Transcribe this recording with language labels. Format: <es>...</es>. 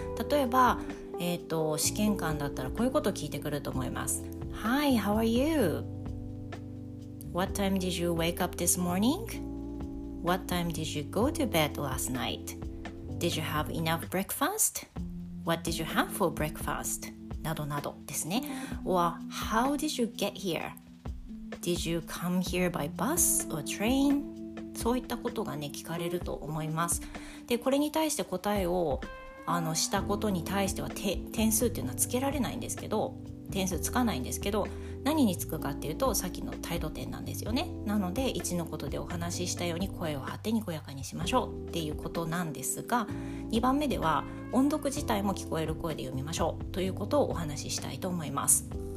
<ja>例えば、試験官だったらこういうことを聞いてくると思います。</ja> <en>Hi, how are youWhat time did you wake up this morning? What time did you go to bed last night? Did you have enough breakfast? What did you have for breakfast?</en> <ja>などなどですね。</ja> <en>Or how did you get here? Did you come here by bus or train?</en> <ja>そういったことがね、聞かれると思います。で、これに対して答えをしたことに対しては点数っていうのはつけられないんですけど、点数つかないんですけど、何につくかっていうと、さっきの態度点なんですよね。なので1のことでお話ししたように、声を張ってにこやかにしましょうっていうことなんですが、2番目では、音読自体も聞こえる声で読みましょうということをお話ししたいと思います。</ja>